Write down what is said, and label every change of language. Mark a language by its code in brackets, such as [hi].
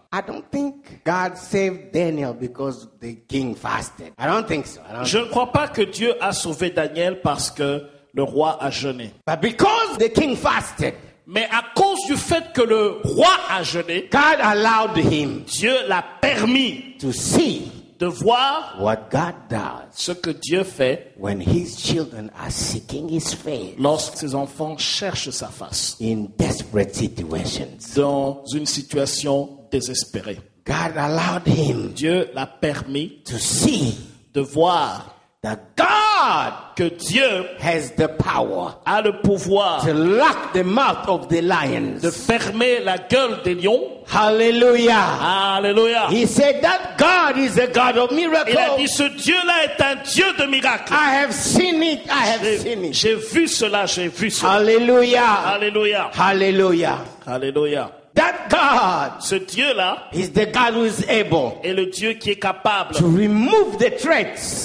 [en] I don't think God saved Daniel because the king fasted. I don't think so. [fr] Je ne crois pas que Dieu a sauvé Daniel parce que le roi a jeûné. [en] But because the king fasted. [fr] Mais à cause du fait que le roi a jeûné. [en] God allowed him. [fr] Dieu l'a permis [en] to see. [fr] De voir [en] what God does. [fr] Ce que Dieu fait [en] when his children are seeking his face. [fr] Lorsque ses enfants cherchent sa face. [en] In desperate situations. [fr] Dans une situation désespéré. [en] God allowed him [fr] Dieu l'a permis [en] to see [fr] de voir [en] that God [fr] que Dieu [en] has the power [fr] a le pouvoir [en] to lock the mouth of the lions. [fr] De fermer la gueule des lions. [en] Hallelujah. [fr] Hallelujah. [en] He said that God is a God of miracles. [fr] Il a dit ce Dieu-là est un Dieu de miracles. [en] I have seen it. I have seen it. [fr] J'ai vu cela. [en] Hallelujah. [fr] Hallelujah. [en] Hallelujah. [fr] Hallelujah. [en] That God, [fr] ce Dieu-là, [en] is the God who is able, [fr] est le Dieu qui est capable, [en] to remove the threats,